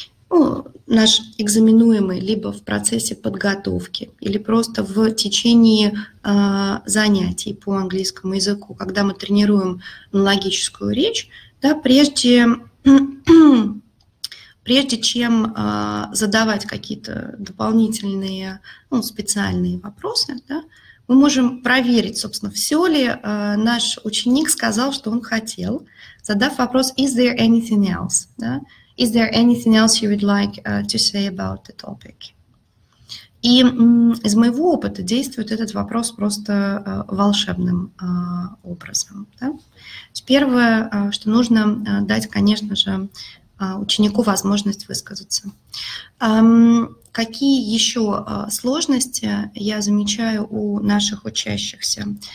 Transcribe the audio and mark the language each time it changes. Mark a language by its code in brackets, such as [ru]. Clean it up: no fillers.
[ru] Ну, наш экзаменуемый либо в процессе подготовки, или просто в течение занятий по английскому языку, когда мы тренируем логическую речь, да, прежде чем задавать какие-то дополнительные, ну, специальные вопросы, да, мы можем проверить, собственно, все ли наш ученик сказал, что он хотел, задав вопрос [en] «Is there anything else?» [ru] Да? [en] «Is there anything else you would like to say about the topic?» [ru] И из моего опыта действует этот вопрос просто волшебным образом. Да? Первое, что нужно дать, конечно же, ученику возможность высказаться. Какие еще сложности я замечаю у наших учащихся?